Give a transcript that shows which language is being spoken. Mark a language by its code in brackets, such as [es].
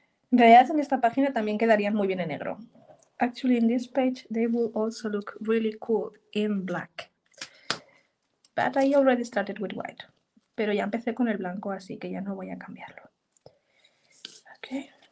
[es] En realidad, en esta página también quedarían muy bien en negro. [en] Actually, in this page, they will also look really cool in black. But I already started with white. [es] Pero ya empecé con el blanco, así que ya no voy a cambiarlo. [en] Okay.